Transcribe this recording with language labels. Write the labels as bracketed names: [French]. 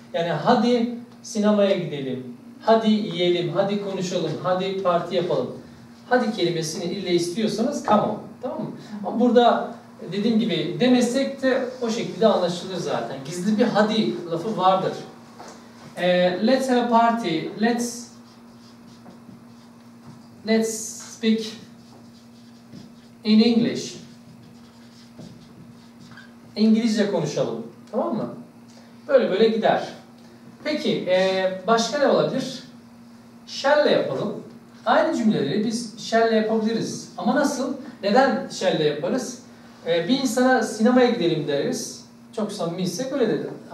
[Turkish] Yani hadi sinemaya gidelim, hadi yiyelim, hadi konuşalım, hadi parti yapalım. Hadi kelimesini ille istiyorsanız [English] come on, [Turkish] tamam mı? Ama burada dediğim gibi demesek de o şekilde anlaşılır zaten. Gizli bir hadi lafı vardır. [English] Let's have a party, let's speak in English. [Turkish] İngilizce konuşalım, tamam mı? Böyle böyle gider. Peki, başka ne olabilir? Shall'le yapalım. Aynı cümleleri biz shall'le yapabiliriz. Ama nasıl? Neden shall'le yaparız? Bir insana sinemaya gidelim deriz. Çok samimiysek öyle dedi.